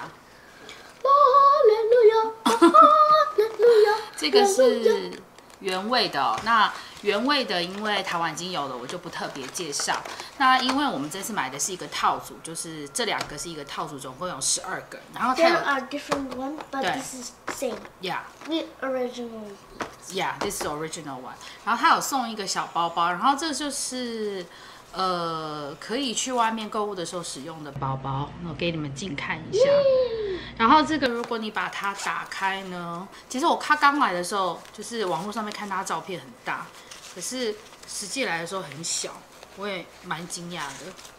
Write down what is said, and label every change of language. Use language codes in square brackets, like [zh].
[zh] 哈利路亚，哈利路亚，这个是原味的、哦、那原味的因为台湾已经有了，我就不特别介绍。那因为我们这次买的是一个套组，就是这两个是一个套组，总共有12个。然后它有 [en] There are different one, but this is same. Yeah. The original. Yeah, this is original one. [zh] 然后它有送一个小包包，然后这就是可以去外面购物的时候使用的包包。我给你们近看一下。然后这个如果你把它打开呢，其实我看刚来的时候，就是网络上面看它照片很大，可是实际来的时候很小，我也蛮惊讶的。